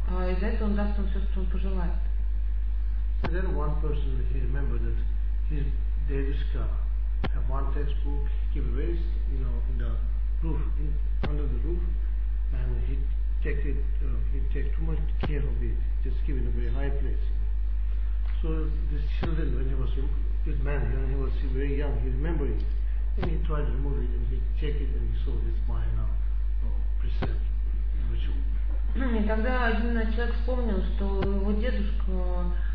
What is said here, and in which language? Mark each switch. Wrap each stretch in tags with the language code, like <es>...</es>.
<ru>И за это он даст ему все, что он пожелает.</ru> <en>And then one person, he remembered that his Devishka have one textbook, he raised, you know, in the roof, under the roof. And he takes too much care of it, just give it a very high place. So this children, when he was this man, when he was very young, he remembered it. And he tried to remove it, and he checked it, and he saw this Mayan precept ritual.</en> <ru>И тогда один человек вспомнил, что его дедушка</ru>